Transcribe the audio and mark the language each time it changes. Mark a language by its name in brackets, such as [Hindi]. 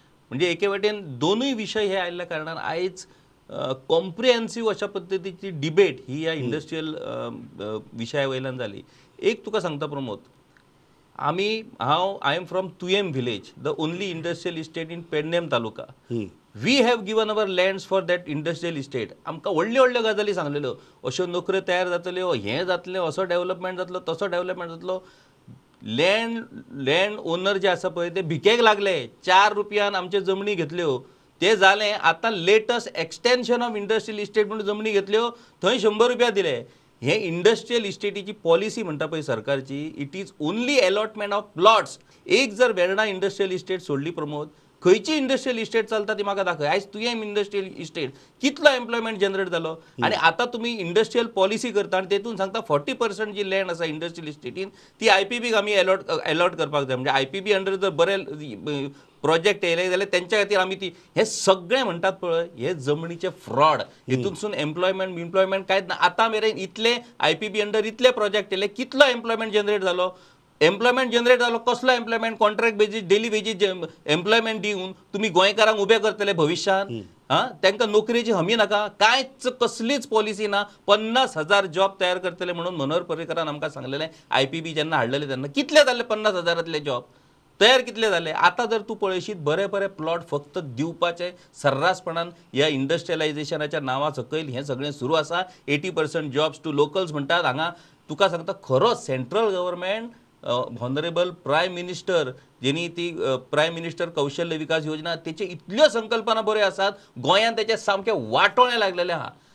[Konkani] म्हणजे एके वाटेन दोनूय विषय हे आयल्या कारणान आयज कॉम्प्रिहेन्सिव्ह अशा पद्धतीची डिबेट ही या इंडस्ट्रियल विषया वयल्यान झाली. एक तुका सांगता प्रमोद, आम्ही हांव [English] I am from Tuem village, the only industrial estate in Pernem taluka. We have given our lands for that industrial estate. [Konkani] आमकां व्हडल्यो व्हडल्यो गजाली सांगलेल्यो, अश्यो नोकऱ्यो तयार जातल्यो, हें जातलें, असो डॅव्हलपमेंट जातलो, तसो डॅव्हलपमेंट जातलो. लँड लँड ओनर जे आसा पळय ते भिकेक लागले, 4 रुपयान आमच्यो जमनी घेतल्यो, ते जालें. आतां latest extension of industrial estate म्हणून जमनी घेतल्यो, थंय 100 रुपया दिले. हे इंडस्ट्रियल इस्टेटीची पॉलिसी म्हणटा पळय सरकारची, [English] It is only allotment of plots. [Konkani] एक जर वेर्णा इंडस्ट्रियल इस्टेट सोडली प्रमोद, खंयची इंडस्ट्रियल इस्टेट चलता ती म्हाका दाखय. आयज तुयेम इंडस्ट्रियल इस्टेट कितलो एम्प्लॉयमेंट जनरेट जालो, आनी आतां तुमी इंडस्ट्रियल पॉलिसी करता आनी तेतून सांगता 40% जी लँड आसा इंडस्ट्रियल इस्टेटीन ती आय पी बीक आमी अलॉट करपाक जाय. म्हणजे आय पी बी अंडर जर बरे प्रोजेक्ट येयले जाल्यार तेंच्या खातीर आमी ती. हे सगळें म्हणटात पळय हे जमनीचे फ्रॉड, हेतूनसून एम्प्लॉयमेंट इम्प्लॉयमेंट कांयच ना. आतां मेरेन इतले आय पी बी अंडर इतले प्रोजेक्ट येयले, कितलो एम्प्लॉयमेंट जनरेट जालो? एम्प्लॉयमेंट जनरेट जालो कसलो employment? Contract basis daily basis employment दिवन तुमी गोंयकारांक उबे करतले भविश्यान? तांकां नोकरेची हमी नाका, कांयच कसलीच पॉलिसी ना. 50,000 जॉब तयार करतले म्हणून मनोहर पर्रीकरान आमकां सांगलेले आय पी बी जेन्ना हाडलेले तेन्ना. कितले जाले 50,000 जॉब तयार? कितले जाले? आतां जर तूं पळयशीत बरे बरे प्लॉट फक्त दिवपाचे सर्रासपणान ह्या इंडस्ट्रियलायजेशनाच्या नांवा सकयल हें सगळें सुरू आसा. [English] 80% jobs to locals [Konkani] म्हणटात. हांगा तुका सांगता खरो central government honourable prime minister जेणी ती प्रायम मिनिस्टर कौशल्य विकास योजना तेचे इतल्यो संकल्पना बऱ्यो आसात, गोंयांत तेचे सामके वाटोळे लागलेले आहा.